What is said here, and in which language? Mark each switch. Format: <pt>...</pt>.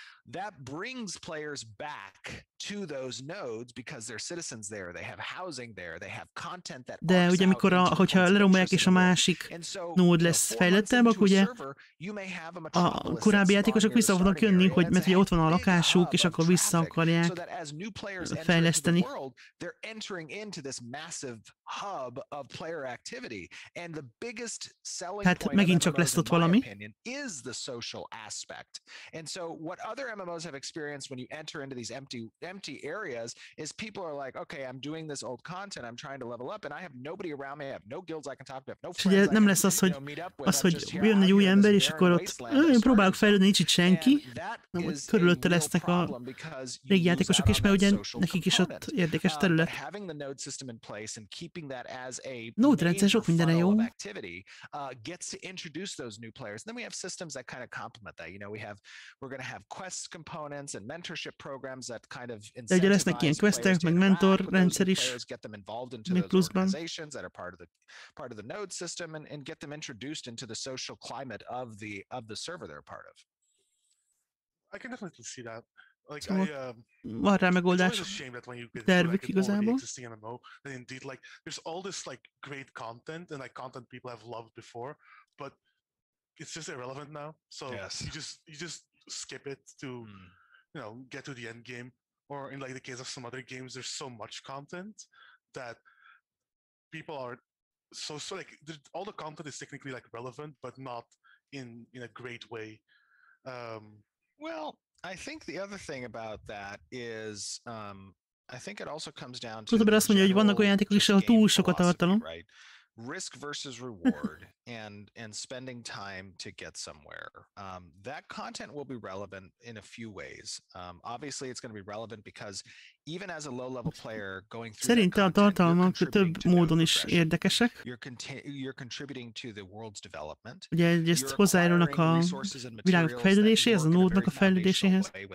<en>that brings players back to those nodes because they're citizens there, they have housing there, they have content that.</en> <hu>De ugye mikor a, hogyha leromolják és a másik node lesz fejlettebb, akkor ugye a korábbi játékosok vissza fognak jönni, hogy mert ugye ott van a lakásuk, és akkor vissza akarják fejleszteni.</hu> <en>They're entering into this massive hub of player activity and the biggest selling point.</en> <hu>Hát megint csak lesz ott valami.</hu> <en>Is the social aspect. And so what other MMOs have experienced when you enter into these empty areas is people are like, okay, I'm doing this old content, I'm trying to level up and I have nobody around me, I have no guilds I can talk to, I have no friends.</en> <hu>Ugye, nem lesz az, hogy jön egy új ember és akkor ott próbálok fejlődni, nincs itt senki, körülötte lesznek a régi játékosok is, mert ugye nekik is ott érdekes terület.</hu> <en>Having the node system in place and keeping that as a</en> <hu>node rendszer sok mindenre jó.</hu> <en>Gets to introduce those new players. Then we have systems that kind of complement that. You know, we're going to have quest components and mentorship programs that kind of incentivize players to get involved into those organizations, get them involved into those organizations that are part of the node system and get them introduced into the social climate of the server they're a part of. I can definitely see that.</en> <hu>Van rá megoldás, tervük igazából.</hu> <en>Indeed, like, there's all this like great content and like content people have loved before, but it's just irrelevant now. So yes. you just skip it to you know, get to the end game. Or in like the case of some other games, there's so much content that people are so like all the content is technically like relevant, but not in a great way. Well, I think the other thing about that is I think it also comes down to</en> <hu>Tudod, azt mondja, hogy vannak olyan játékok is, ahol túl sok a tartalom.</hu> <en>Right? Risk versus reward and spending time to get somewhere. That content will be relevant in a few ways. Obviously it's going to be relevant because even as a low level player going through</en> <hu>the tartalmak több módon is érdekesek.</hu> <en>You're contributing to the world's development.</en> <hu>Ugye ezt hozzájárulnak a világok fejlődéséhez, a nódnak a fejlődéséhez.</hu>